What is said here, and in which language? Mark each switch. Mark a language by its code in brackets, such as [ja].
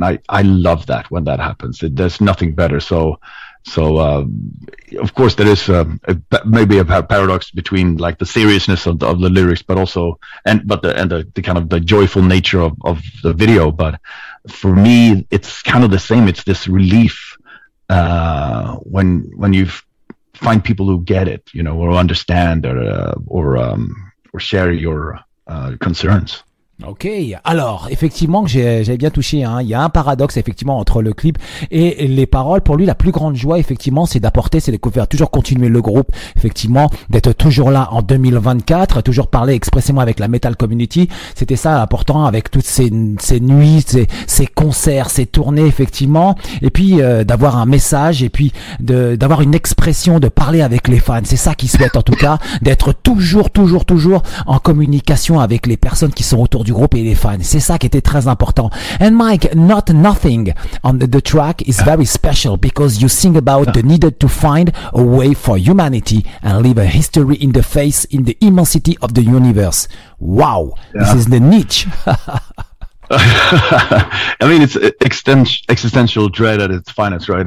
[en] And I love that when that happens. There's nothing better. So of course there is maybe a paradox between like the seriousness of the lyrics, but also the kind of the joyful nature of the video. But for me, it's kind of the same. It's this relief when you find people who get it, you know, or understand or share your concerns. [fr] Ok, alors effectivement, j'ai bien touché, hein. Il y a un paradoxe effectivement entre le clip et les paroles. Pour lui, la plus grande joie effectivement, c'est d'apporter, c'est de faire toujours continuer le groupe, effectivement, d'être toujours là en 2024, toujours parler expressément avec la metal community. C'était ça important avec toutes ces nuits, ces concerts, ces tournées effectivement. Et puis d'avoir un message et puis d'avoir une expression, de parler avec les fans. C'est ça qu'il souhaite en tout cas, d'être toujours en communication avec les personnes qui sont autour du groupe et les fans. C'est ça qui était très important. [en] And Mike, Not Nothing on the track is very special because you sing about the need to find a way for humanity and leave a history in the face in the immensity of the universe. Wow, this is the niche. I mean, it's existential dread at its finest, right?